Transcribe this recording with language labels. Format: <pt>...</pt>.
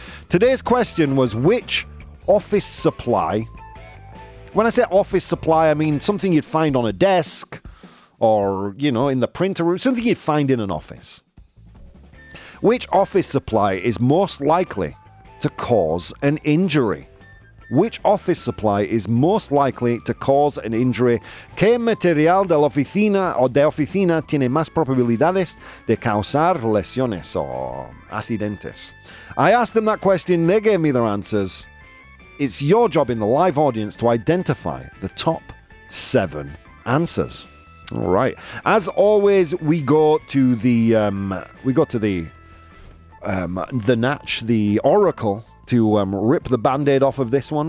<en>Today's question was, which office supply... When I say office supply, I mean something you'd find on a desk or, you know, in the printer room, something you'd find in an office. Which office supply is most likely to cause an injury? Which office supply is most likely to cause an injury?</en> <es>¿Qué material de la oficina o de oficina tiene más probabilidades de causar lesiones o accidentes?</es> <en>I asked them that question, they gave me their answers. It's your job in the live audience to identify the top seven answers. All right. As always, we go to the Natch, the Oracle, to rip the band-aid off of this one.</en>